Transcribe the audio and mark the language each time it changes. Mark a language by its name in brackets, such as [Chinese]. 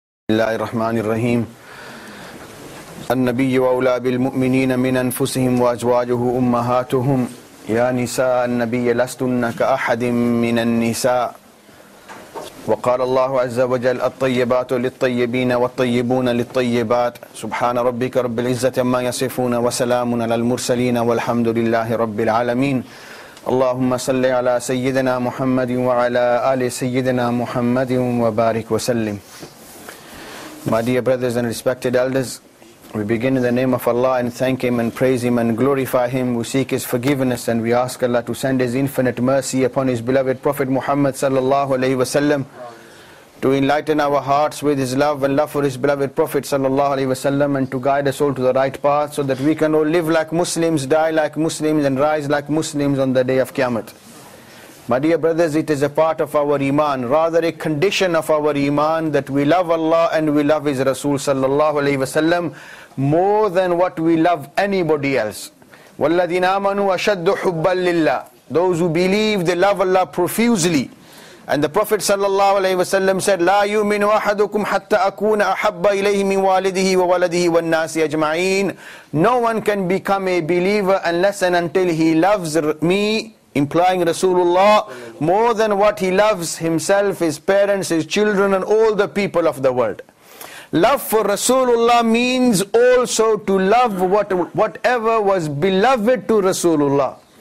[Arabic] الله الرحمن الرحيم النبي وأولى بالمؤمنين من أنفسهم وأزواجه أمهاتهم يا نساء النبي لستن كأحد من النساء وقال الله عز وجل الطيبات للطيبين والطيبون للطيبات سبحان ربك رب العزة ما يصفون وسلام على المرسلين والحمد لله رب العالمين اللهم صل على سيدنا محمد وعلى آل سيدنا محمد وبارك وسلم. [English] My dear brothers and respected elders, we begin in the name of Allah and thank Him and praise Him and glorify Him. We seek His forgiveness and we ask Allah to send His infinite mercy upon His beloved Prophet Muhammad sallallahu alaihi wasallam, to enlighten our hearts with His love and love for His beloved Prophet sallallahu alaihi wasallam, and to guide us all to the right path so that we can all live like Muslims, die like Muslims, and rise like Muslims on the day of Qiyamah. My dear brothers, it is a part of our iman, rather a condition of our iman, that we love Allah and we love His Rasul sallallahu alaihi wasallam more than what we love anybody else. [Arabic] وَالَّذِينَ آمَنُوا أَشَدُّ حُبَّا لِلَّهِ. [English] Those who believe, they love Allah profusely. And the Prophet sallallahu alayhi wa sallam said, [Arabic] لا يؤمن أحدكم حتى أكون أحب إليه من والده وولده والناس أجمعين. [English] No one can become a believer unless and until he loves me, implying Rasulullah, more than what he loves himself, his parents, his children, and all the people of the world. Love for Rasulullah means also to love whatever was beloved to Rasulullah.